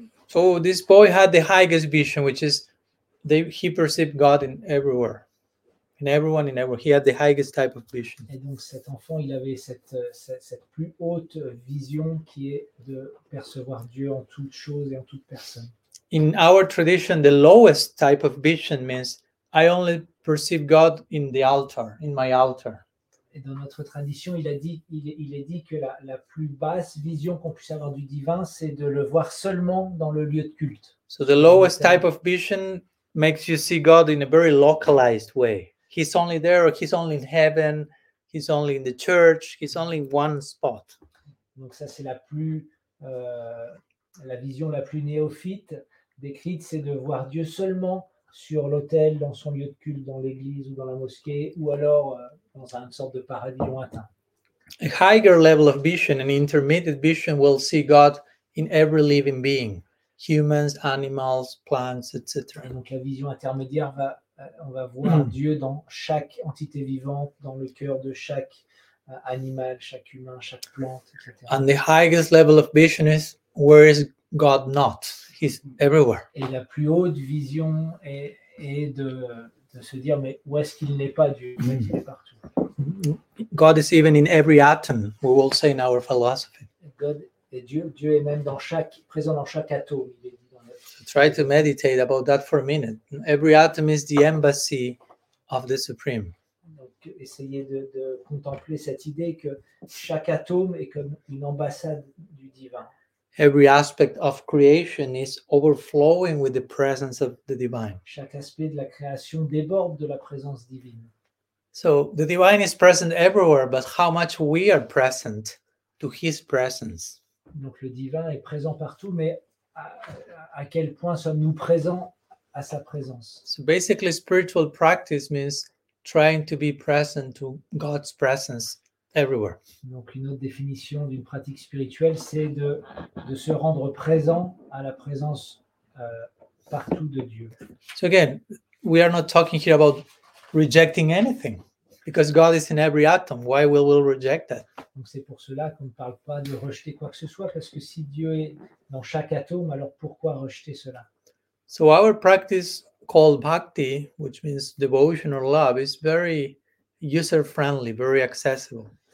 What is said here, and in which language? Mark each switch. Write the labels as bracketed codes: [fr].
[en] So this boy had the highest vision, which is he perceived God in everywhere. In everyone, he had the highest type of vision. [fr] Et donc cet enfant, il avait cette plus haute vision qui est de percevoir Dieu en toute chose et en toute personne. [en] In our tradition, the lowest type of vision means I only perceive God in the altar, in my altar. [fr] Et dans notre tradition, il est dit que la plus basse vision qu'on puisse avoir du divin, c'est de le voir seulement dans le lieu de culte. [en] So the lowest type of vision makes you see God in a very localized way. He's only there, or he's only in heaven, he's only in the church, he's only in one spot. [fr] Donc ça c'est la vision la plus néophyte décrite, c'est de voir Dieu seulement sur l'autel, dans son lieu de culte, dans l'église ou dans la mosquée, ou alors dans une sorte de paradis lointain. [en] A higher level of vision, an intermediate vision, will see God in every living being, humans, animals, plants, etc. [fr] Et donc la vision intermédiaire va on va voir Dieu dans chaque entité vivante, dans le cœur de chaque animal, chaque humain, chaque plante, etc. [en] And the highest level of vision is, where is God not? He's everywhere. [fr] Et la plus haute vision est de se dire, mais où est-ce qu'il n'est pas Dieu? Il est partout. [en] God is even in every atom, we will say in our philosophy. [fr] God est Dieu. Dieu est même présent dans chaque atome. [en] Try to meditate about that for a minute. Every atom is the embassy of the Supreme. [fr] Donc, essayez de contempler cette idée que chaque atome est comme une ambassade du divin. [en] Every aspect of creation is overflowing with the presence of the divine. [fr] Chaque aspect de la création déborde de la présence divine. [en] So the divine is present everywhere, but how much we are present to his presence. [fr] Donc le divin est présent partout, mais à quel point sommes-nous présents à sa présence? [en] So basically, spiritual practice means trying to be present to God's presence everywhere. [fr] Donc, une autre définition d'une pratique spirituelle, c'est de se rendre présent à la présence partout de Dieu. [en] So again, we are not talking here about rejecting anything. Because God is in every atom, why will we reject that? [fr] Donc c'est pour cela qu'on ne parle pas de rejeter quoi que ce soit, parce que si Dieu est dans chaque atome, alors pourquoi rejeter cela? [en] So our practice called bhakti, which means devotion or love, is very user-friendly, very accessible.